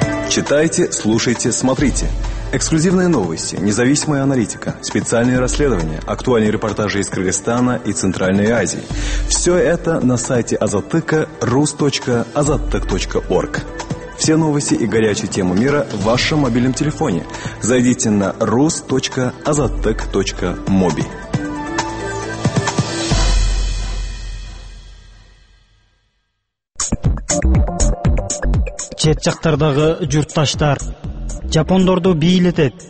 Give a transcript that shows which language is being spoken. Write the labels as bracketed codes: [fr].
[ru] Читайте, слушайте, смотрите. Эксклюзивные новости, независимая аналитика, специальные расследования, актуальные репортажи из Кыргызстана и Центральной Азии. Все это на сайте Азаттыка rus.azattyk.org. Все новости и горячие темы мира в вашем мобильном телефоне. Зайдите на rus.azattyk.mobi. [ky] Чет жактардагы журтташтар жапондорду бийлетет.